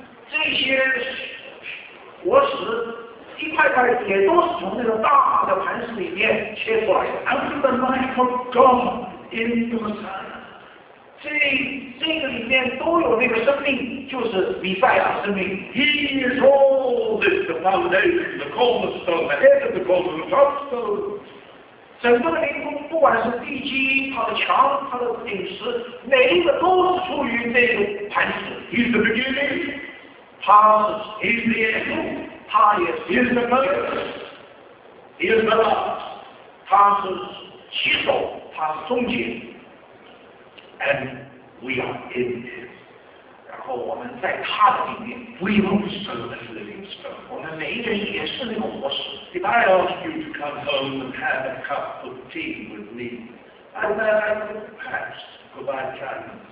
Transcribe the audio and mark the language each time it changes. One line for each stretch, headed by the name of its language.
Chinese: 这些活石一块块也都是从那个大的盘子里面切出来的。
English: And the life of God in the sun，
Chinese: 这个里面都有那个生命，就是弥赛亚生命。
English: He is all this, the foundation, the cornerstone, the head of the cornerstone, the topstone。
Chinese: 整个的灵宫，不管是地基、它的墙、它的顶石，每一个都是出于那个盘子。
English: He's the beginning。
Chinese: 他是
English: He's the end。
Chinese: 他也是
English: He's the first。 He's the last。
Chinese: 他是起首，他是终结。
English: And we are in Him。
Chinese: 然后我们在他的里面。
English: We also are living stone。
Chinese: 我们每一个人也是那个活石。
English: If I ask you to come home and have a cup of tea with me, I would perhaps provide Chinese